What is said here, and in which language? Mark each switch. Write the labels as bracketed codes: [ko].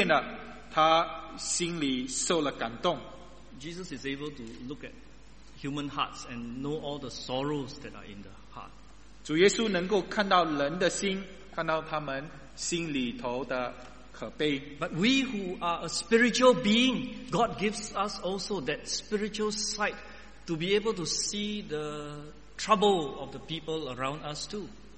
[zh] 那我们看到在马太福音的记载呢，耶稣来，他看见了，他心里受了感动。 [en] Jesus is able to look at human hearts and know all the sorrows that are in the heart. [zh] 主耶稣能够看到人的心，看到他们心里头的可悲。 [en] But we who are a spiritual being, God gives us also that spiritual sight to be able to see the trouble of the people around us too.